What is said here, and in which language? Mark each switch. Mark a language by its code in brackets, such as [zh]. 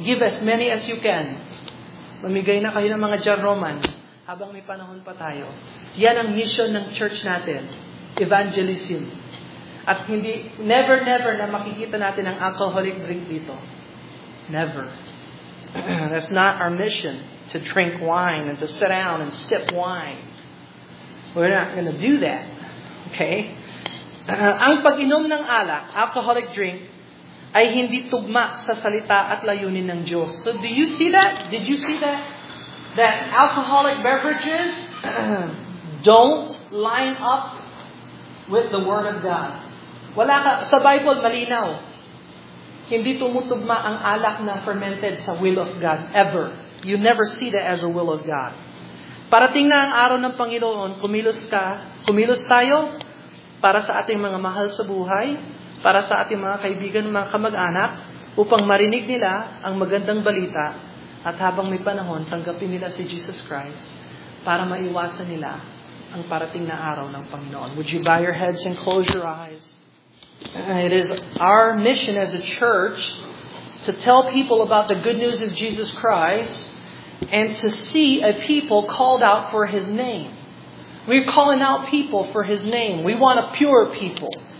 [en] Give as many as you can. [tl] Mamigay na kayo ng mga John Roman habang may panahon pa tayo. Yan ang mission ng church natin. Evangelism. At hindi, never, never na makikita natin ang alcoholic drink dito. Never. [en] That's not our mission, to drink wine and to sit down and sip wine. We're not going to do that. Okay? [tl] Ang pag-inom ng alak, alcoholic drink, ay hindi tugma sa salita at layunin ng Diyos. [en] So do you see that? Did you see that? That alcoholic beverages don't line up with the Word of God. [tl] Wala ka, sa Bible, malinaw. Hindi tumutugma ang alak na fermented sa [en] will of God, ever. You never see that as a will of God. [tl] Parating na ang araw ng Panginoon, kumilos ka, kumilos tayo para sa ating mga mahal sa buhay, para sa ating mga kaibigan, mga kamag-anak, upang marinig nila ang magandang balita, at habang may panahon, tanggapin nila si Jesus Christ para maiwasan nila ang parating na araw ng Panginoon. [en] Would you bow your heads and close your eyes? It is our mission as a church to tell people about the good news of Jesus Christ and to see a people called out for His name. We're calling out people for His name. We want a pure people.